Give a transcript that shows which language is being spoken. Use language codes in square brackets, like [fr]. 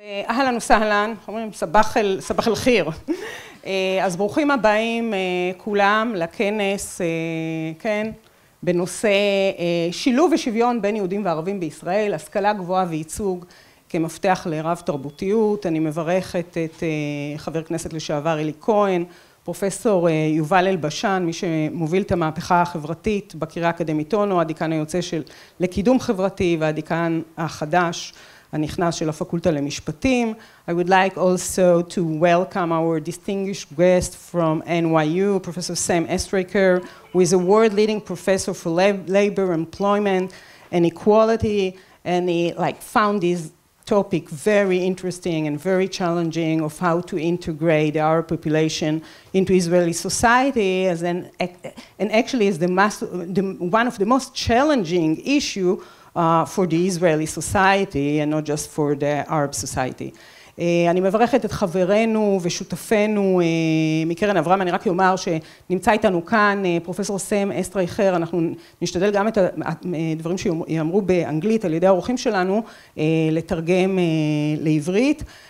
[ar] אהלן וסהלן, [he] אומרים [ar] סבח אל חיר. [he] אז ברוכים הבאים כולם לכנס, כן, בנושא שילוב ושוויון בין יהודים וערבים בישראל, השכלה גבוהה וייצוג כמפתח לרב תרבותיות. אני מברכת את חבר כנסת לשעבר אלי כהן, פרופסור יובל אלבשן, מי שמוביל את המהפכה החברתית בקריה האקדמית אונו, הדיקן היוצא של לקידום חברתי והדיקן החדש הנכנס של הפקולטה למשפטים. [en] I would like also to welcome our distinguished guest from NYU, Professor Sam Estreicher, who is a world leading professor for labor, employment and equality, and he like found this topic very interesting and very challenging of how to integrate our population into Israeli society as an and actually is one of the most challenging issue for the Israeli society and not just for the Arab society. [he] אני מברכת את חברנו ושותפנו מקרן אברהם. אני רק אומר שנמצא איתנו כאן פרופסור סם אסטרייכר. אנחנו נשתדל גם את הדברים שיאמרו באנגלית על ידי האורחים שלנו לתרגם לעברית.